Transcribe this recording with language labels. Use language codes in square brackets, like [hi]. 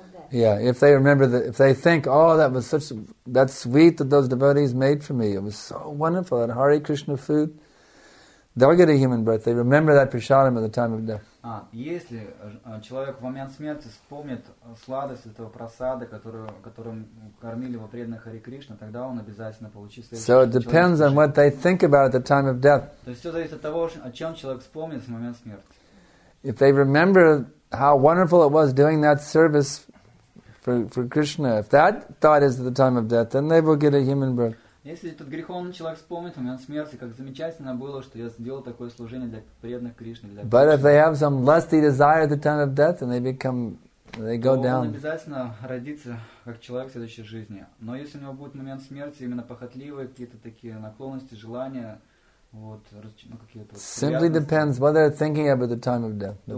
[en] Yeah, if they remember that, if they think, oh, that was such that sweet that those devotees made for me, it was so wonderful, that Hare Krishna food, they'll get a human birth. They remember that prasadam at the time of death. [ru] А если человек в момент смерти вспомнит сладость этого прасада, которым кормили его преданные Хари Кришна, тогда он обязательно получит следующий. [en] So it depends on what they think about at the time of death. [ru] То есть все зависит от того, о чем человек вспомнит в момент смерти. [en] If they remember how wonderful it was doing that service for Krishna, if that thought is at the time of death, then they will get a human birth. [ru] Если этот греховный человек вспомнит в момент смерти, как замечательно было, что я сделал такое служение для преданных Кришны, для. [en] But if they have some lusty desire at the time of death, then they go down. [ru] Он обязательно родится как человек в следующей жизни. Но если у него будет момент смерти именно похотливые какие-то такие наклонности, желания. [en] Simply depends what they're thinking of at the time of death.